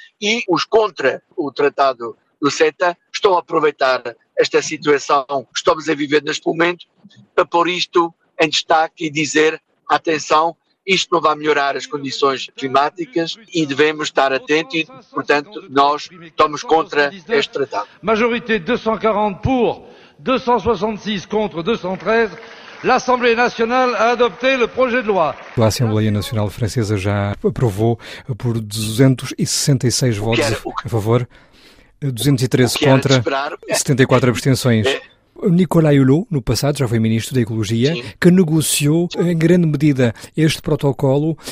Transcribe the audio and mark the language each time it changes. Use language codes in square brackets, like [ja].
[pt] E os contra o tratado do CETA estão a aproveitar esta situação que estamos a viver neste momento para pôr isto em destaque e dizer: atenção, isto não vai melhorar as condições climáticas e devemos estar atentos, e, portanto, nós estamos contra este tratado. [fr] Majorité 240 pour, 266 contre 213. L'Assemblée nationale a adopté le projet de loi. [pt] A Assembleia Nacional Francesa já aprovou por 266 votos a favor, 213 contra, 74 abstenções. Nicolas Hulot, no passado, já foi ministro da Ecologia, sim, que negociou em grande medida este protocolo.